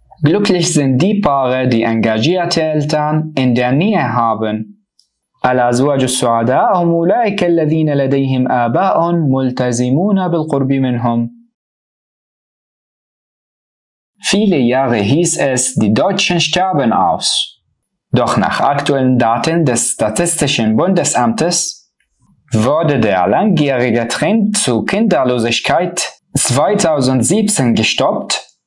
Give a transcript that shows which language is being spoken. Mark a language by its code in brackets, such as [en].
[de] Glücklich sind die Paare, die engagierte Eltern in der Nähe haben. [ar] الأزواج السعداء هم أولئك الذين لديهم آباء ملتزمون بالقرب منهم. [de] Viele Jahre hieß es, die Deutschen sterben aus. Doch nach aktuellen Daten des Statistischen Bundesamtes wurde der langjährige Trend zu Kinderlosigkeit 2017 gestoppt.